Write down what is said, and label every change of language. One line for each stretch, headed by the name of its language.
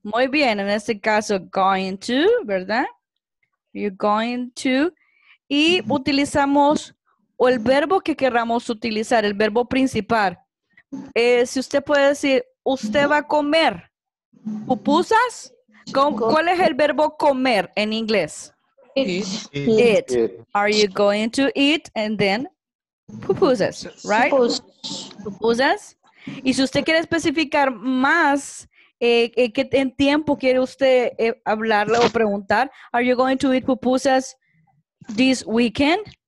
Spanish: Muy bien, en este caso, going to, ¿verdad?
English: You're going to.
Spanish: Y utilizamos o el verbo que queramos utilizar, el verbo principal. Si usted puede decir, usted va a comer pupusas, ¿cuál es el verbo comer en inglés?
English: Eat. Are you going to eat and then pupusas, right? Pupusas.
Spanish: Y si usted quiere especificar más, ¿qué en tiempo quiere usted hablarle o preguntar?
English: Are you going to eat pupusas this weekend?